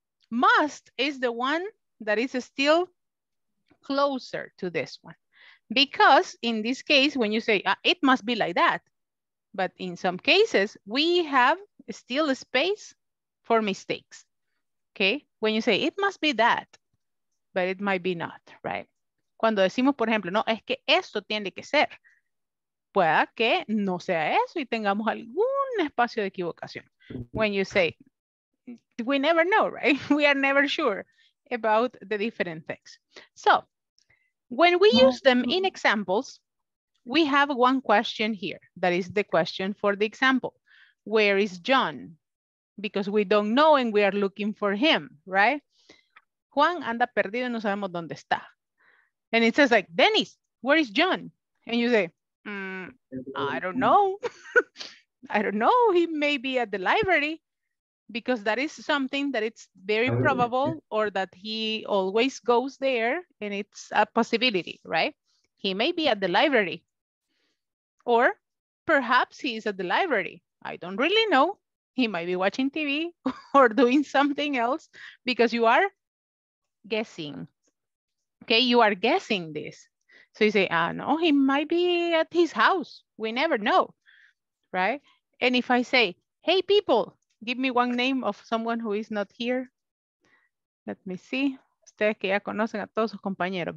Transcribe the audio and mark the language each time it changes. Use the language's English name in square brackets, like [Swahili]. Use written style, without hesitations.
[English] Must is the one that is still closer to this one. Because in this case, when you say, it must be like that, but in some cases, we have still a space for mistakes. Okay, when you say, it must be that, but it might be not, right? [Spanish] Cuando decimos, por ejemplo, no, es que esto tiene que ser. Pueda que no sea eso y tengamos algún espacio de equivocación. [English] When you say, we never know, right? We are never sure about the different things. So, when we use them in examples, we have one question here. That is the question for the example. Where is John? Because we don't know and we are looking for him, right? [Spanish] Juan anda perdido y no sabemos dónde está. [English] And it says like, Dennis, where is John? And you say, I don't know. I don't know. He may be at the library, because that is something that it's very probable, or that he always goes there and it's a possibility, right? He may be at the library, or perhaps he is at the library. I don't really know. He might be watching TV or doing something else, because you are guessing. Okay, you are guessing this. So you say, no, he might be at his house. We never know, right? And if I say, hey, people, give me one name of someone who is not here. Let me see. [Spanish] Ustedes que ya conocen a todos sus compañeros.